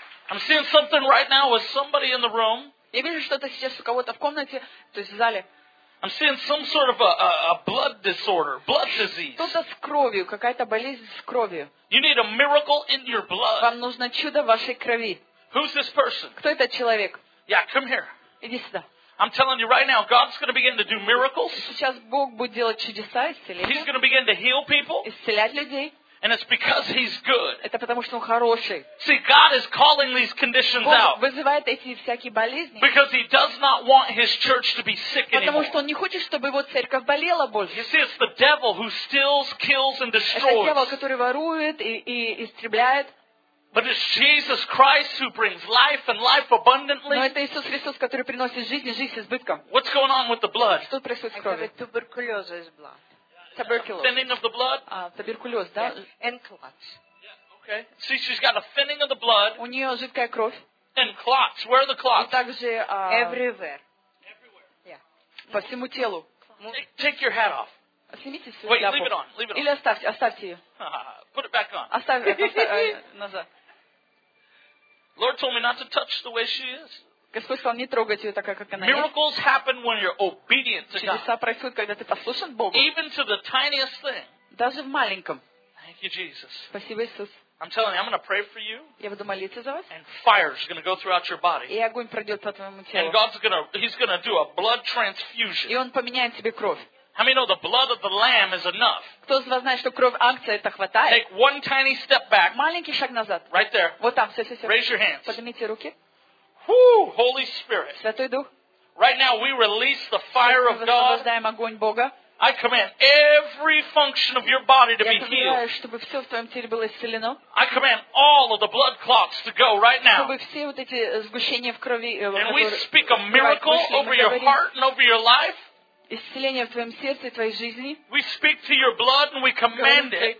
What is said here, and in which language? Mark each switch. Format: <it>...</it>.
<en>I'm seeing something right now with somebody in the room.</en> <ru>Я вижу что-то сейчас у кого-то в комнате, то есть в зале.</ru> <en>I'm seeing some sort of a blood disorder, blood disease.</en> <ru>Что-то с кровью, какая-то болезнь с кровью.</ru> <en>You need a miracle in your blood.</en> <ru>Вам нужно чудо в вашей крови.</ru> <en>Who's this person?</en> <ru>Кто этот человек?</ru> <en>Yeah, come here.</en> <ru>Иди сюда.</ru> <en>I'm telling you right now, God's going to begin to do miracles.</en> <ru>Сейчас Бог будет делать чудеса, исцеления.</ru> <en>He's going to begin to heal people.</en> <ru>Исцелять людей.</ru> <en>And it's because He's good.</en> <ru>Это потому что Он хороший.</ru> <en>See, God is calling these conditions out.</en> <ru>Бог вызывает эти всякие болезни.</ru> <en>Because He does not want His church to be sick anymore.</en> <ru>Потому что Он не хочет, чтобы Его церковь болела больше.</ru> <en>You see, it's the devil who steals, kills, and destroys.</en> <ru>Это дьявол, который ворует и истребляет.</ru> <en>But it's Jesus Christ who brings life and life abundantly.</en> <ru>Но это Иисус Христос, который приносит жизнь и жизнь с избытком.</ru> <en>What's going on with the blood?</en> <ru>Что происходит с кровью? Это туберкулез из blood.</ru> <en>Tuberculosis. Thinning of the blood.</en> <ru>Туберкулез, да?</ru> <en>And clots. Yeah. Okay. See, she's got a thinning of the blood.</en> <ru>У нее жидкая кровь.</ru> <en>And clots. Where are the clots?</en> <ru>И также</ru> <en>everywhere.</en> <ru>Yeah. По всему телу.</ru> <en>Take your hat off.</en> <ru>Снимите свою шляпу.</ru> <en>Wait, leave it on.</en> <ru>Или оставьте ее.</ru> <en>Put it back on.</en> <ru>Оставь ее назад.</ru> <en>Lord told me not to touch the way she is.</en> <ru>Господь сказал не трогать ее такая, как она есть.</ru> <en>Miracles happen when you're obedient to God.</en> <ru>Чудеса происходят, когда ты послушен Богу.</ru> <en>Even to the tiniest thing.</en> <ru>Даже в маленьком.</ru> <en>Thank you, Jesus.</en> <ru>Спасибо, Иисус.</ru> <en>I'm telling you, I'm going to pray for you.</en> <ru>Я буду молиться за вас.</ru> <en>And fire is going to go throughout your body.</en> <ru>И огонь пройдет по твоему телу.</ru> <en>And God's going to, He's going to do a blood transfusion.</en> <ru>И Он поменяет тебе кровь.</ru> <en>How many know the blood of the Lamb is enough?</en> <ru>Кто из вас знает, что кровь Агнца это хватает?</ru> <en>Take one tiny step back.</en> <ru>Маленький шаг назад.</ru> <en>Right there.</en> <ru>Вот там, все.</ru> <en>Raise your hands.</en> <ru>Поднимите руки.</ru> <en>Whoo, Holy Spirit.</en> <ru>Святой Дух.</ru> <en>Right now we release the fire of God.</en> <ru>Мы высвобождаем огонь Бога.</ru> <en>I command every function of your body to be healed.</en> <ru>Я повелеваю, чтобы все в твоем теле было исцелено.</ru> <en>I command all of the blood clots to go right now.</en> <ru>Чтобы все вот эти сгущения в крови.</ru> <en>And we speak a miracle over your heart and over your life.</en> <ru>Исцеление в твоем сердце и твоей жизни.</ru> <en>We speak to your blood and we command it.</en>